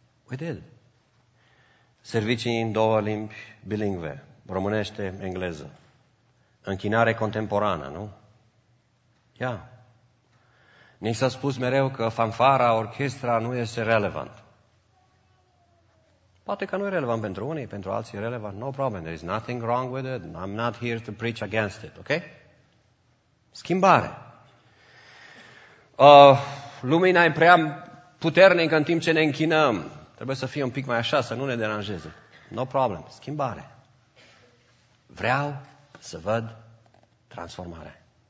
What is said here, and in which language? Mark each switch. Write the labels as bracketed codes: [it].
[en] We did. [ro] Servicii în două limbi bilingve, românește, engleză. Închinare contemporană, nu? Yeah. Ni s-a spus mereu că fanfara, orchestra nu este relevant. Poate că nu e relevant pentru unii, pentru alții e relevant. [en] No problem, there is nothing wrong with it. I'm not here to preach against it, ok? [ro] Schimbare. Lumina e prea puternică în timp ce ne închinăm. Trebuie să fie un pic mai așa, să nu ne deranjeze. [en] No problem, [ro] schimbare. Vreau să văd transformare.